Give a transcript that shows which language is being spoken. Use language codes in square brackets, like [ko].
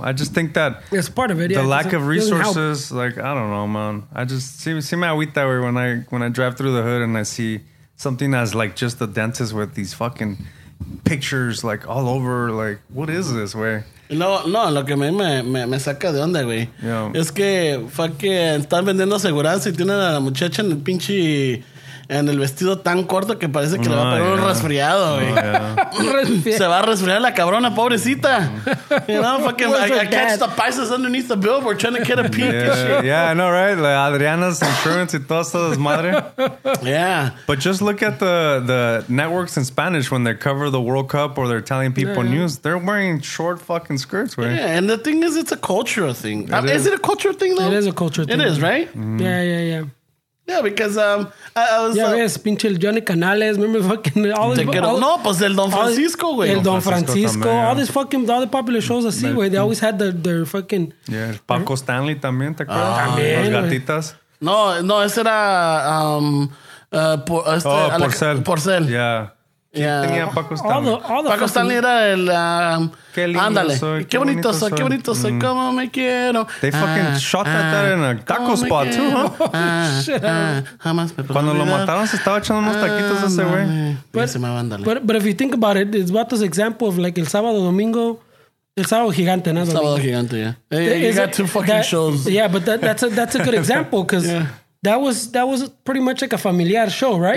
[en] I just think that. It's part of it, the yeah, lack of resources, like, I don't know, man. I just, see my week that way when I drive through the hood and I see something as like just the dentist with these fucking pictures like all over, like, what is this way? [es] No, lo que a mí me saca de onda, güey. [en] Yeah. [es] Es que, fuck, están vendiendo seguranza y tienen a la muchacha en el pinche... En el vestido tan corto que parece que le va a pegar un resfriado, güey. Se va a resfriar la cabrona, pobrecita. [en] You know, fucking, I catch the Pisces underneath the billboard trying to get a peek. Yeah, I know, right? [es] Like, Adriana's insurance y todo esto es madre. [en] Yeah. But just look at the networks in Spanish when they cover the World Cup or they're telling people news. They're wearing short fucking skirts, right? Yeah, and the thing is, it's a cultural thing. Is it a cultural thing, though? It is a cultural thing. It is, right? Mm. Yeah. Yeah, because I was yes, [es] pinche el [en] Johnny Canales, remember fucking all [es] the no, pues el Don Francisco, güey. El Don Francisco también, [en] all these fucking all the popular shows [es] así, güey. [en] They always had their fucking [es] yeah, Paco Stanley también, ¿te acuerdas? También, las gatitas. No, ese era Porcel. Porcel. Yeah. ¿Quién tenía Paco Stanley? Paco Stanley era el... Qué lindo ándale. Soy. Qué bonito soy. Cómo me quiero. [en] They fucking shot that in a taco spot, too, huh? [es] Jamás me cuando lo mataron, se estaba echando unos taquitos ese güey. [en] But if you think about it, it's about this example of like [es] el sábado, domingo... El sábado gigante, ¿no? El sábado gigante, [en] yeah. Hey, you got two fucking shows. Yeah, but that's a good example, because that was pretty much like a familiar show, right?